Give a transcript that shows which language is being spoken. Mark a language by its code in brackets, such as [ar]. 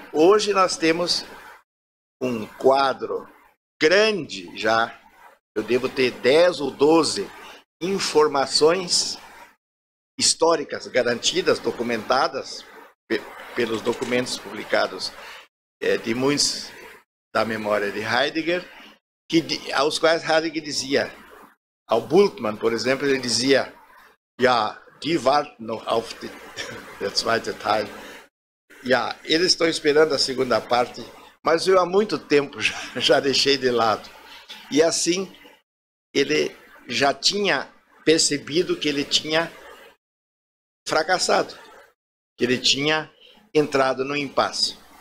[pt] Hoje nós temos um quadro grande já, eu devo ter 10 ou 12 informações históricas garantidas, documentadas pelos documentos publicados de muitos da memória de Heidegger, aos quais Heidegger dizia: Ao Bultmann, por exemplo, ele dizia: [de] "Ja, die warten noch auf der zweite Teil." [pt] Ja, eles estão esperando a segunda parte, mas eu há muito tempo já deixei de lado. E assim, ele já tinha percebido que ele tinha fracassado, que ele tinha entrado no impasse.